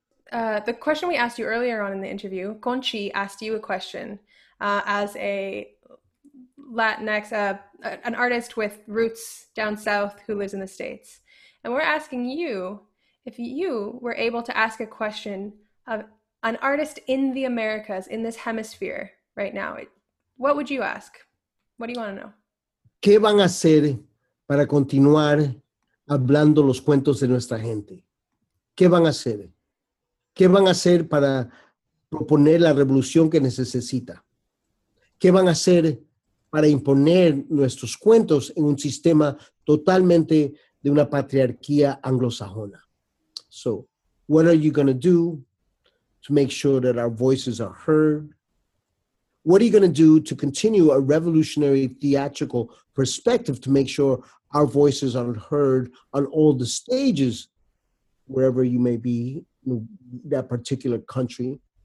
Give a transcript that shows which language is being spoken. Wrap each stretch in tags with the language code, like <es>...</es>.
<en>The question we asked you earlier on in the interview, Conchi asked you a question as a Latinx, an artist with roots down south who lives in the States. And we're asking you if you were able to ask a question of an artist in the Americas, in this hemisphere right now, what would you ask? What do you want to know?</en> <es>¿Qué van a hacer para continuar hablando los cuentos de nuestra gente? ¿Qué van a hacer? ¿Qué van a hacer para proponer la revolución que necesita? ¿Qué van a hacer para imponer nuestros cuentos en un sistema totalmente de una patriarquía anglosajona?</es> <en>So, what are you going to do to make sure that our voices are heard? What are you going to do to continue a revolutionary theatrical perspective to make sure our voices are heard on all the stages, wherever you may be in that particular country?</en>